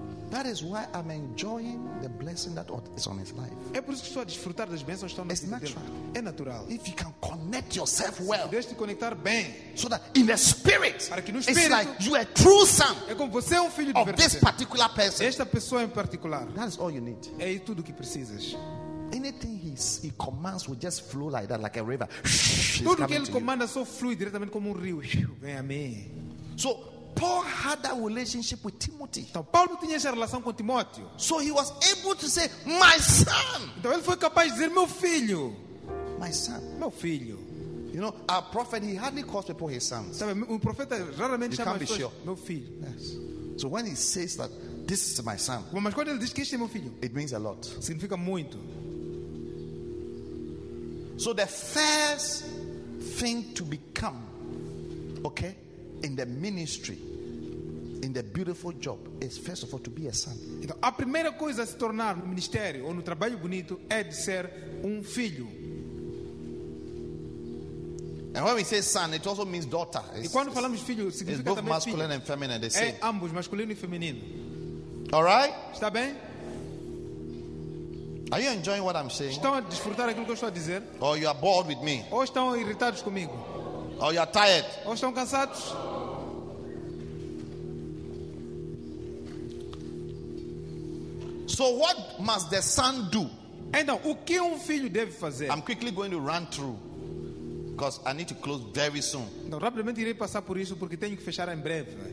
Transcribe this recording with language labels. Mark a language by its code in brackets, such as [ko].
[en] That is why I'm enjoying the blessing that is on his life. [pt] É por isso que estou a desfrutar das bênçãos que estão na vida dele. É natural. [en] If you can connect yourself well, [pt] se deixe te conectar bem, [en] so that in the spirit, [pt] para que no espírito, [en] it's like you are a true son. [pt] É como você é filho de verdade. [en] Of this particular person. [pt] Esta pessoa em particular. [en] That is all you need. [pt] É tudo o que precisas. [en] Anything he commands will just flow like that, like a river. [pt] Tudo que ele comanda só flui diretamente como rio. Vem a mim. [en] So. Paul had that relationship with Timothy. [pt] Então, Paulo tinha essa relação com Timóteo. [en] So he was able to say, my son. [pt] Então ele foi capaz de dizer, meu filho. [en] My son. [pt] Meu filho. [en] You know, a prophet, he hardly calls people his sons. [pt] Sabe, um profeta raramente [en] you [pt] chama [en] can't be [pt] pessoas, [en] sure. [pt] Meu filho. [en] Yes. So when he says that, this is my son. [pt] Mas quando ele diz que este é meu filho. [en] It means a lot. [pt] Significa muito. [en] So the first thing to become, okay, in the ministry, in the beautiful job, is first of all to be a son. [pt] Então, a primeira coisa a se tornar no ministério ou no trabalho bonito é de ser filho. [en] And when we say son, it also means daughter. [pt] E quando falamos filho, significa filho. [en] It's both masculine and feminine. They say. [pt] É ambos, masculino e feminino. [en] All right? [pt] Está bem? [en] Are you enjoying what I'm saying? [pt] Estão a desfrutar aquilo que eu estou a dizer? [en] Or you are bored with me? [pt] Ou estão irritados comigo? [en] Or you are tired? [pt] Ou estão cansados? [en] So what must the son do? [pt] Então, o que filho deve fazer? [en] I'm quickly going to run through because I need to close very soon. [pt] Então, rapidamente irei passar por isso porque tenho que fechar em breve.